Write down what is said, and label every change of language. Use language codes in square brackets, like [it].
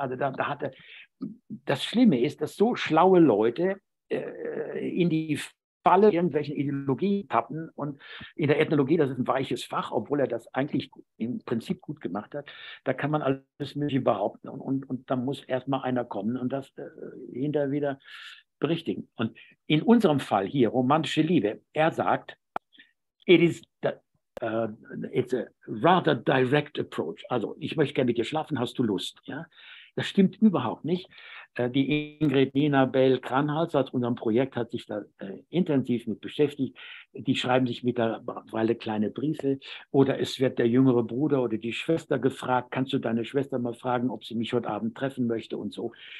[de] Also da hat er, das Schlimme ist, dass so schlaue Leute in die Falle irgendwelchen Ideologien tappen und in der Ethnologie, das ist ein weiches Fach, obwohl er das eigentlich im Prinzip gut gemacht hat, da kann man alles Mögliche behaupten und dann muss erstmal einer kommen und das hinterher wieder berichtigen. Und in unserem Fall hier, romantische Liebe, er sagt, [en] it is It's a rather direct approach. [de] Also, ich möchte gerne mit dir schlafen, hast du Lust? Ja? Das stimmt überhaupt nicht. Die Ingrid Nina Bell Kranhals aus unserem Projekt hat sich da intensiv mit beschäftigt. Die schreiben sich mittlerweile kleine Briefe. Oder es wird der jüngere Bruder oder die Schwester gefragt, kannst du deine Schwester mal fragen, ob sie mich heute Abend treffen möchte und so.